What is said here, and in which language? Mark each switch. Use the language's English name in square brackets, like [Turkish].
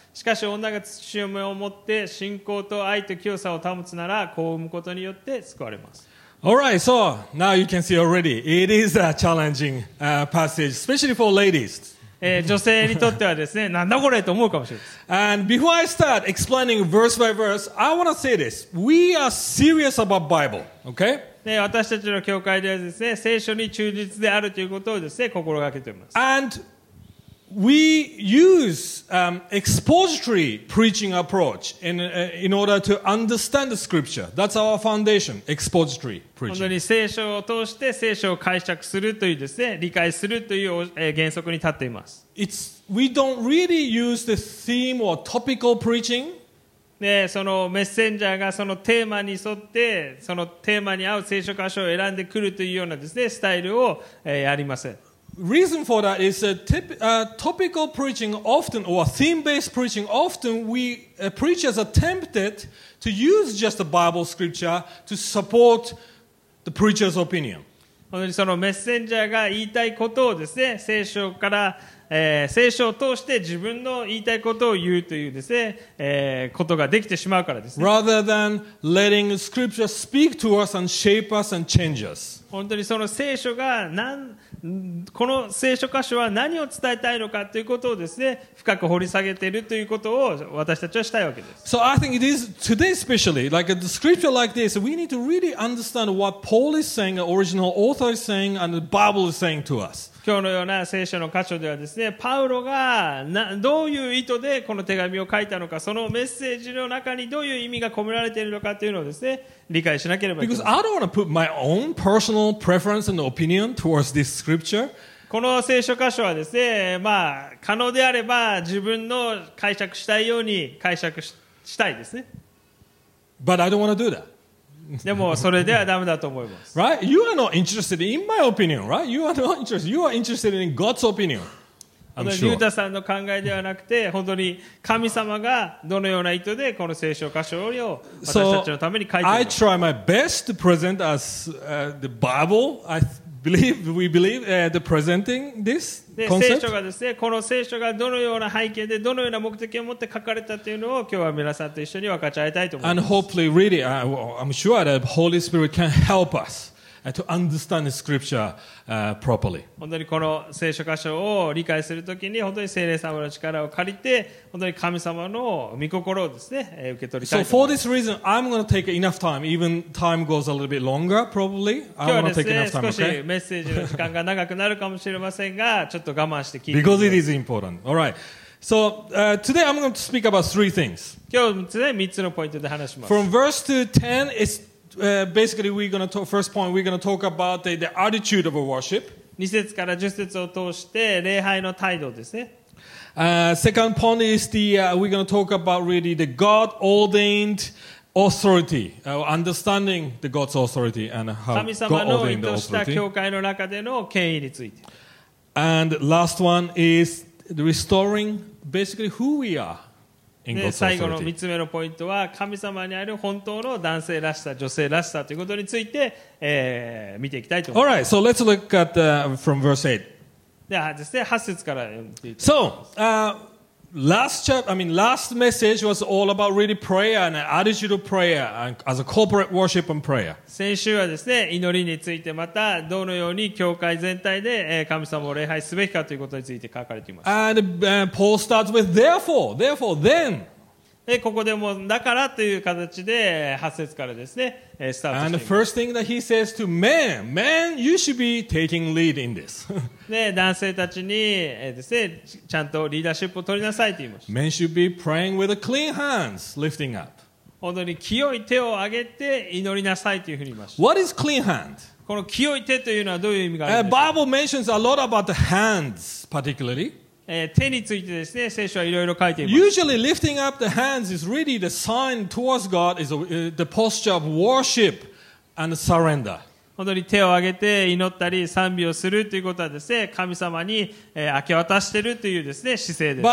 [Japanese] しかし女が慎みを持って信仰と愛と清さを保つなら子を産むことによって救われます。 [English] Alright, so now you can see already it is a challenging passage especially for ladies. [Japanese] 女性にとってはですね、なんだこれと思うかもしれません。 [English] And before I start explaining verse by verse, I want to say this. We are serious about Bible, okay? [Japanese] ね、私たちの教会ではですね、聖書に忠実であるということをですね、心がけています。 [English] And we use, expository preaching approach in order to understand the scripture. That's our foundation, expository. [Japanese] 本当に聖書を通して聖書を解釈するというですね、理解するという原則に立っています。 [English] We don't really use the theme or topical preaching. [Japanese] ね、そのメッセンジャーがそのテーマに沿って、そのテーマに合う聖書箇所を選んでくるというようなですね、スタイルをやりません。 [English] Reason for that is topical preaching often or theme-based preaching often we preachers are tempted to use just the Bible scripture to support the preacher's opinion. [Japanese] 本当にそのメッセンジャーが言いたいことをですね、聖書から聖書を通して自分の言いたいことを言うというですね、ことができてしまうからですね。 [English] Rather than letting scripture speak to us and shape us and change us. [Japanese] 本当にその聖書が何、この聖書箇所は何を伝えたいのかということをですね、深く掘り下げているということを私たちはしたいわけです。 [English] So I think it is today especially, like a scripture like this, we need to really understand what Paul is saying, the original author is saying, and the Bible is saying to us. [Japanese] 今日のような聖書の箇所ではですね、パウロがどういう意図でこの手紙を書いたのか、そのメッセージの中にどういう意味が込められているのかというのをですね、理解しなければいけません。 [English] Because I don't want to put my own personal preference and opinion towards this scripture. [Japanese] この聖書箇所はですね、まあ可能であれば自分の解釈したいように解釈したいですね。 [English] But I don't want to do that. [Japanese] でもそれではダメだと思います。 [English] Right? You are not interested in my opinion, right? You are not interested. You are interested in God's opinion. I'm sure. [Japanese] ユータさんの考えではなくて、本当に神様がどのような意図でこの聖書箇所を私たちのために書いているのか。 [English] So, I try my best to present as, the Bible. I believe we believe, the presenting this concept. [Japanese] 聖書がですね、この聖書がどのような背景でどのような目的を持って書かれたというのを今日は皆さんと一緒に分かち合いたいと思います。 [English] And hopefully, really, I'm sure that Holy Spirit can help us to understand the scripture, properly. [Japanese] 本当にこの聖書箇所を理解するときに本当に聖霊様の力を借りて本当に神様の御心をですね、受け取りたいと思います。 [English] So for this reason, I'm going to take enough time. Even time goes a little bit longer, probably. I'm going to take enough time. [Japanese] 少しメッセージの時間が長くなるかもしれませんが、ちょっと我慢して聞いてください。 [English] Because it is important. All right. So, today I'm going to speak about three things. [Japanese] 今日ですね、3つのポイントで話します。 [English] From verse to 10, it's, basically we're going to talk, first point, we're going to talk about the attitude of a worship. [Japanese] 2節から10節を通して礼拝の態度ですね。 [English] Second point is the, we're going to talk about really the God-ordained authority, understanding the God's authority and how God ordained the authority. [Japanese] 神様の意図した教会の中での権威について。 [English] And last one is,The restoring basically who we are in God's authority. [Japanese] 最後の三つ目のポイントは神様にある本当の男性らしさ、女性らしさということについて、見ていきたいと思います。 [English] All right, so let's look at from verse 8. [Japanese] ではですね、8節から読んでいきます。 [English] So, last message was all about really prayer and attitude of prayer and as a corporate worship and prayer. [Japanese] 先週はですね、祈りについてまたどのように教会全体で神様を礼拝すべきかということについて書かれています。 [English] And Paul starts with therefore, then. [Japanese] でここでもだからという形で8節からですね、スタートしています。 [English] And the first thing that he says to men, you should be taking lead in this. [Japanese] で男性たちにですね、ちゃんとリーダーシップを取りなさいと言いました。 [English] Men should be praying with a clean hands, lifting up. [Japanese] 本当に清い手を上げて祈りなさいというふうに言いました。 [English] What is clean hand? [Japanese] この清い手というのはどういう意味があるんですか？ [English] Bible mentions a lot about the hands, particularly. [Japanese] 手についてですね、聖書はいろいろ書いています。 [English] Usually lifting up the hands is really the sign towards God, is the posture of worship and surrender. [Japanese] 本当に手を上げて祈ったり賛美をするということはですね、神様に明け渡しているというですね、姿勢です。